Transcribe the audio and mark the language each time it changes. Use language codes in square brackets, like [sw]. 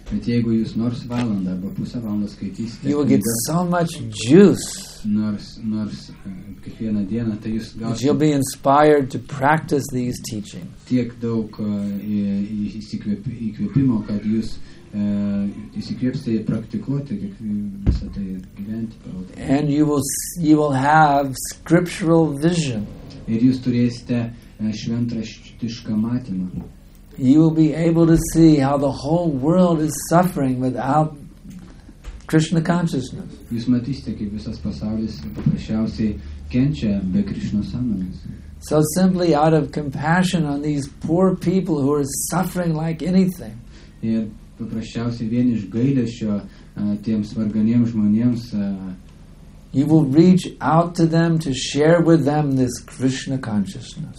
[lt] bet jeigu jūs nors valandą arba pusę valandą skaitysite, [en] you will get so much juice. [lt] Nors kiekvieną dieną, tai jūs gausite. [en] You'll be inspired to practice these teachings. [lt] Tiek daug įkvėpimo, kad jūs įsikvėpsite praktikuoti, visą tai gyventi. [en] And you will have scriptural vision. [lt] Ir jūs turėsite šventraštišką matymą. [en] You will be able to see how the whole world is suffering without Krishna consciousness. [lt] Jūs matysite, kaip visas pasaulis paprasčiausiai kenčia be Krishna sąmonės. [en] So simply out of compassion on these poor people who are suffering like anything. [lt] Ir paprasčiausiai vien iš gailesčio tiems varganiems žmonėms, [en] you will reach out to them to share with them this Krishna consciousness.